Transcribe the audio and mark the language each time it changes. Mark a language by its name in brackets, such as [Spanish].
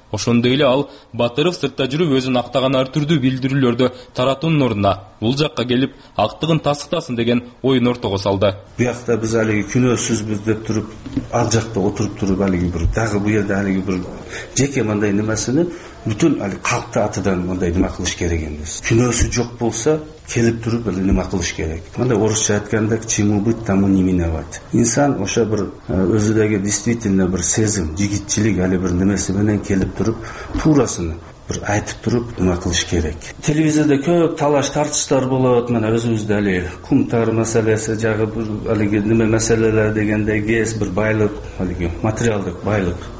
[Kyrgyz] Ошондой эле ал Батыров сыртта жүрүп өзүн актаган ар түрдүү билдирүүлөрдү таратуунун ордуна бул жакка келип актыгын тастыктасын деген оюн ортого салды. Буякта биз алиги күнөөсүзбүз деп туруп, ал жакта отуруп туруп алиги бир дагы бул жерде алиги бир жеке мындай нэмесини бүтүн алиги калкты атыдан мындай нима кылыш керек эмес. Күнөөсү жок болсо келип туруп эле нима кылыш керек. Мындай орусча айтканда [Russian] к чему быть, тому не миновать. [Kyrgyz] Инсан ошо бир өзүдөгү действительно бир сезим, жигитчилик али бир нэмеси менен келип туруп, туурасын бир айтып туруп нима кылыш керек. Телевизорда көп талаш тартыштар болот, мына өзүбүздө эле кумтар маселеси жагы бир алиги нэме маселелер дегенде кез бир байлык, алиги материалдык байлык.